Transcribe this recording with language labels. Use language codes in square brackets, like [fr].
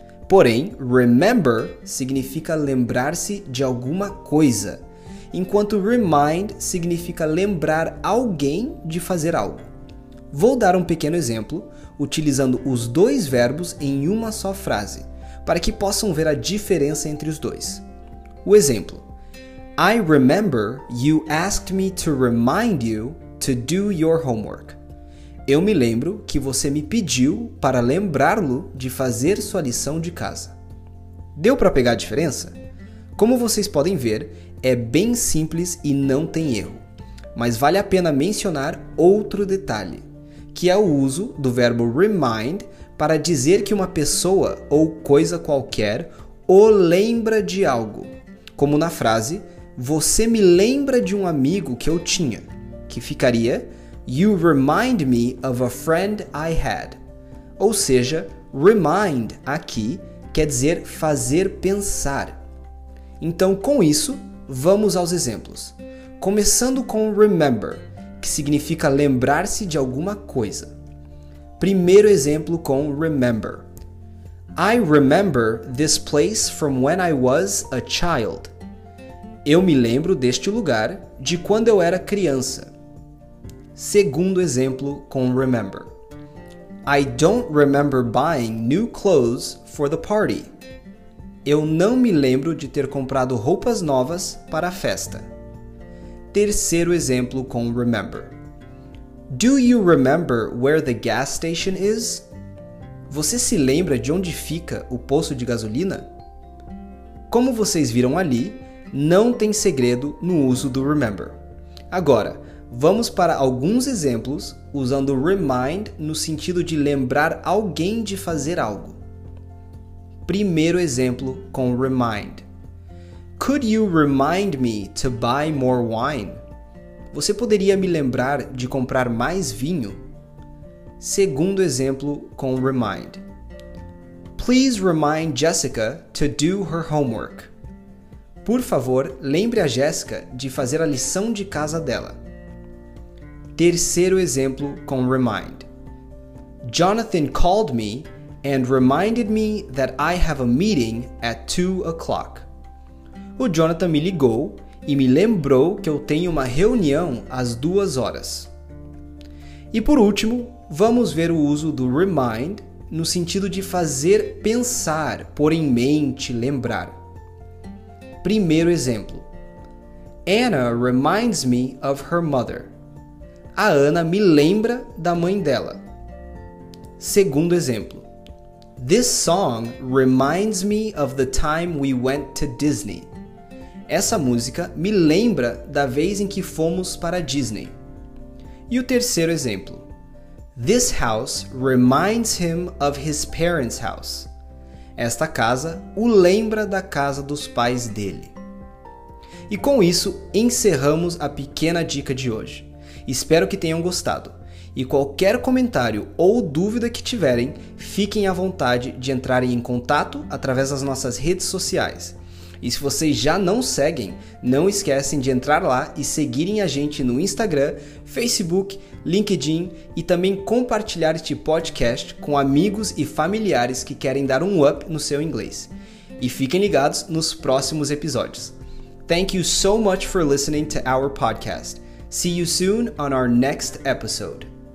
[pt] Porém, remember significa lembrar-se de alguma coisa, enquanto remind significa lembrar alguém de fazer algo. Vou dar um pequeno exemplo, utilizando os dois verbos em uma só frase, para que possam ver a diferença entre os dois. O exemplo: [en] I remember you asked me to remind you to do your homework. [pt] Eu me lembro que você me pediu para lembrá-lo de fazer sua lição de casa. Deu para pegar a diferença? Como vocês podem ver, é bem simples e não tem erro. Mas vale a pena mencionar outro detalhe, que é o uso do verbo remind para dizer que uma pessoa ou coisa qualquer o lembra de algo. Como na frase, você me lembra de um amigo que eu tinha, que ficaria [en] you remind me of a friend I had. [pt] Ou seja, remind aqui quer dizer fazer pensar. Então, com isso, vamos aos exemplos. Começando com remember, que significa lembrar-se de alguma coisa. Primeiro exemplo com remember. [en] I remember this place from when I was a child. [pt] Eu me lembro deste lugar de quando eu era criança. Segundo exemplo com remember. [en] I don't remember buying new clothes for the party. [pt] Eu não me lembro de ter comprado roupas novas para a festa. Terceiro exemplo com remember. [en] Do you remember where the gas station is? [pt] Você se lembra de onde fica o posto de gasolina? Como vocês viram ali, não tem segredo no uso do remember. Agora, vamos para alguns exemplos usando remind no sentido de lembrar alguém de fazer algo. Primeiro exemplo com remind. [en] Could you remind me to buy more wine? [pt] Você poderia me lembrar de comprar mais vinho? Segundo exemplo com remind. [en] Please remind Jessica to do her homework. [pt] Por favor, lembre a Jessica de fazer a lição de casa dela. Terceiro exemplo com remind. [en] Jonathan called me and reminded me that I have a meeting at 2 o'clock. [pt] O Jonathan me ligou e me lembrou que eu tenho uma reunião às 2 horas. E por último, vamos ver o uso do remind no sentido de fazer pensar, pôr em mente, lembrar. Primeiro exemplo. [en] Anna reminds me of her mother. [pt] A Ana me lembra da mãe dela. Segundo exemplo. [en] This song reminds me of the time we went to Disney. [pt] Essa música me lembra da vez em que fomos para Disney. E o terceiro exemplo. [en] This house reminds him of his parents' house. [pt] Esta casa o lembra da casa dos pais dele. E com isso, encerramos a pequena dica de hoje. Espero que tenham gostado. E qualquer comentário ou dúvida que tiverem, fiquem à vontade de entrarem em contato através das nossas redes sociais. E se vocês já não seguem, não esquecem de entrar lá e seguirem a gente no Instagram, Facebook, LinkedIn e também compartilhar este podcast com amigos e familiares que querem dar um up no seu inglês. E fiquem ligados nos próximos episódios. [en] Thank you so much for listening to our podcast. See you soon on our next episode.